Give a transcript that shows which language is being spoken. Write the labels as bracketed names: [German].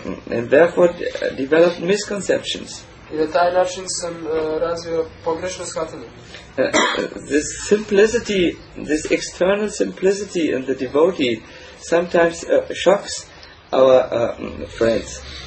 [English] And therefore developed misconceptions. [Serbian] I na taj način sam razvio pogrešno shvatanje. [English] This simplicity, this external simplicity in the devotee sometimes shocks our friends.